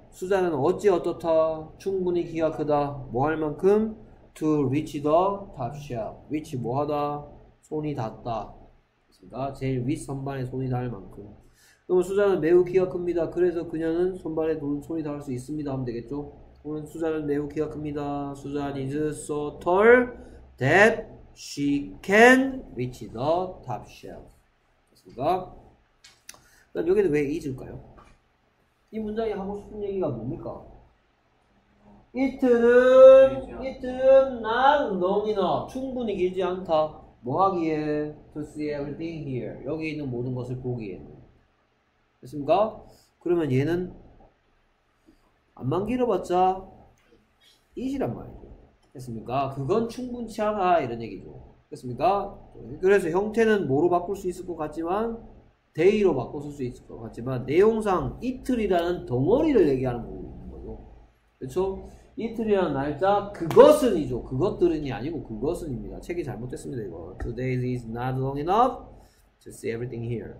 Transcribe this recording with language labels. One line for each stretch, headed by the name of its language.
Korean: 수잔은 어찌 어떻다? 충분히 키가 크다. 뭐할 만큼?
English: To reach the top shelf. reach
Korean: 뭐 하다? 손이 닿다. 그러니까 제일 윗선반에 손이 닿을 만큼. 그러면 수잔은 매우 키가 큽니다. 그래서 그녀는 선반에 손이 닿을 수 있습니다. 하면 되겠죠? 그러면 수잔은 매우 키가 큽니다.
English: 수잔 is so tall that she can reach the top shelf.
Korean: 그렇습니까? 그럼 여기는 왜 is일까요? 이 문장이 하고 싶은 얘기가 뭡니까?
English: It는 not long enough.
Korean: 충분히 길지 않다. 뭐 하기에?
English: To see everything here.
Korean: 여기 있는 모든 것을 보기에는. 됐습니까? 그러면 얘는 앞만 길어봤자 is이란 말이죠. 됐습니까? 그건 충분치 않아. 이런 얘기죠. 됐습니까? 그래서 형태는 뭐로 바꿀 수 있을 것 같지만 day로 바꿔 쓸수 있을 것 같지만 내용상 이틀이라는 덩어리를 얘기하는 거고요. 그렇죠? 이틀이라는 날짜 그것은이죠. 그것들은이 아니고 그것은입니다. 책이 잘못됐습니다. 이거
English: Today is not long enough to see everything here.